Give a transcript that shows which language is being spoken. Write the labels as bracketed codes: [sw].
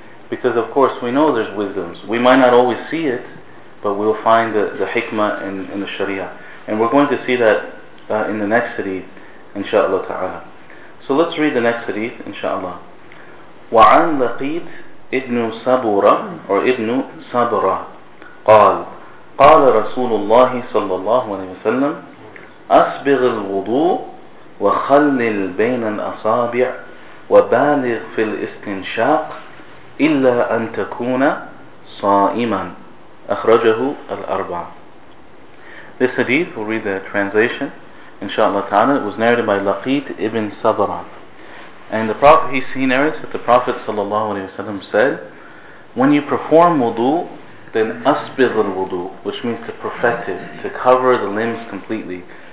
[en] Because of course we know there's wisdoms. We might not always see it, but we'll find the hikmah in the sharia. And we're going to see that in the next hadith, inshaAllah ta'ala. So let's read the next hadith, inshaAllah. [ar] وعن لقيط ابن سبورة or ابن سبورة قال قال رسول الله صلى الله عليه وسلم أسبغ الوضوء وخلل بين الأصابع وبالغ في الاستنشاق إلا أن تكون صائما أخرجه الأربعة. [en] This hadith, we'll read the translation inshallah ta'ala. It was narrated by Laqit ibn Sabra. And the Prophet, he narrates that the Prophet ﷺ said, when you perform wudu, then asbir al-wudu, which means to perfect it, to cover the limbs completely.